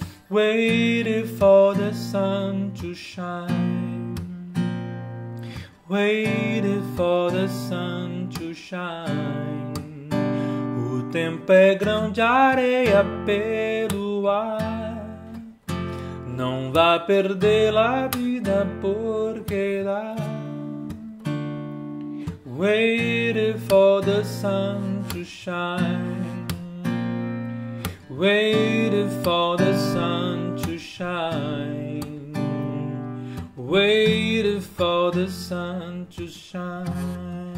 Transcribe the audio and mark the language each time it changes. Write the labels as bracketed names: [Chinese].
[English] Waited for the sun to shine. Waited for the sun to shine. [Portuguese] O tempo é grão de areia pelo ar. Não vá perder a vida porque dá. [English] Waited for the sun to shine. Waited for the sun to shine. Waited for the sun to shine.